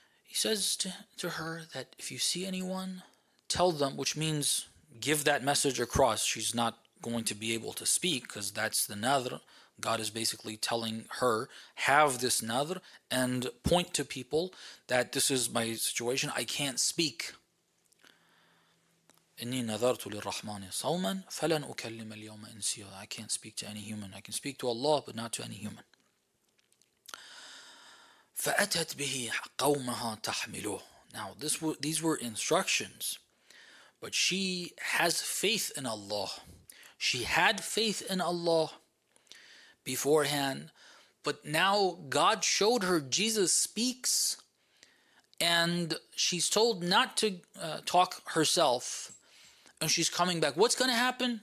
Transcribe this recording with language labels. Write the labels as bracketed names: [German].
[English] He says to her that if you see anyone, tell them, which means give that message across. She's not going to be able to speak because that's the nadr. God is basically telling her, have this nadr and point to people that this is my situation. I can't speak. [Arabic] إِنِّي نَذَرْتُ لِلرَّحْمَنِ صَوْمًا فَلَنْ أُكَلِّمَ الْيَوْمَ إِنْسِيًّا [English] I can't speak to any human. I can speak to Allah, but not to any human. [Arabic] فَأَتَتْ بِهِ قَوْمَهَا تَحْمِلُهُ [English] Now, these were instructions. But she has faith in Allah. She had faith in Allah beforehand. But now God showed her, Jesus speaks. And she's told not to talk herself. And she's coming back. What's going to happen?